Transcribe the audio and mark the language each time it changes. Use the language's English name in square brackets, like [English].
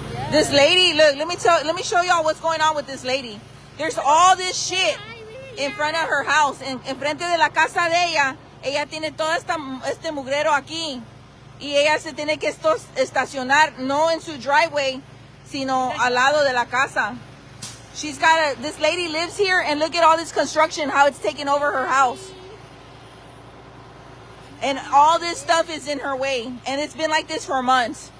[English] This lady, look, let me show y'all what's going on with this lady. There's all this shit in front of her house, [Spanish] en frente de la casa de ella. Ella tiene todo este mugrero aquí y ella se tiene que estacionar no en su driveway sino al lado de la casa. [English] She's got this lady lives here and look at all this construction, how it's taking over her house, and all this stuff is in her way, and it's been like this for months.